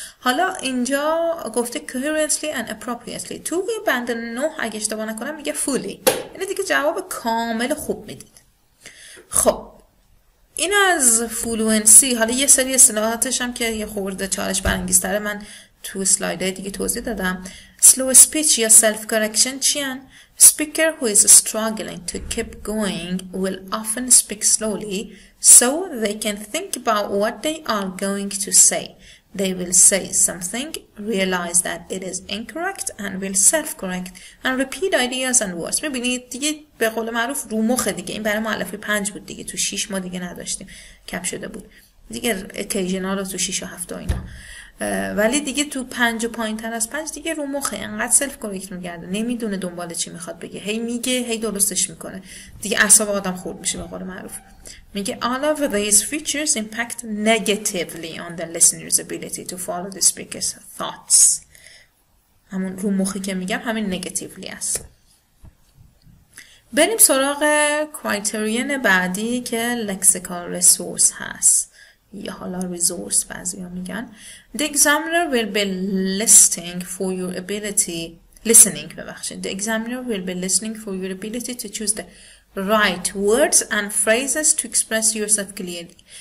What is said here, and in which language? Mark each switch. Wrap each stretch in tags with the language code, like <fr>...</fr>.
<fa>حالا اینجا گفته</fa> <en>coherently and appropriately،</en> <fa>تو بند 9 اگه اشتباه نکنم میگه fully، یعنی دیگه جواب کامل خوب میدید. خب این از فلوئنسی. حالا یه سری اصطلاحاتش هم که یه خورده چالش برانگیزتره من تو سلایده دیگه توضیح دادم.</fa> <en>slow speech</en> <fa>یا</fa> <en>self correction</en> <fa>چیان؟</fa> <en>speaker who is struggling to keep going will often speak slowly so they can think about what they are going to say. they will say something, realize that it is incorrect and will self correct and repeat ideas and words.</en> <fa>ببینید دیگه به قول معروف رو مخ دیگه، این برای مؤلفه 5 بود دیگه، تو 6 ما دیگه نداشتیم، کم شده بود دیگه اکیژنال رو تو 6 و 7 و اینا، ولی دیگه تو 5 و پایین تر از 5 دیگه رو مخ انقدر سلف کرکت میگرده، نمیدونه دنبال چی میخواد بگه، هی میگه هی درستش میکنه، دیگه اعصاب آدم خرد میشه به قول معروف. میگه</fa> <en>all of these features impact negatively on the listener's ability to follow the speaker's thoughts.</en> <fa>همون رو مخی که میگم همین negatively است. بریم سراغ کرایتریون بعدی که lexical resource هست، یا حالا resource بعضی ها میگن.</fa> <en>the examiner will be listening for your ability listening</en> <fa>ببخشید</fa> <en>the examiner will be listening for your ability to choose the right words and phrases to express yourself clearly.</en>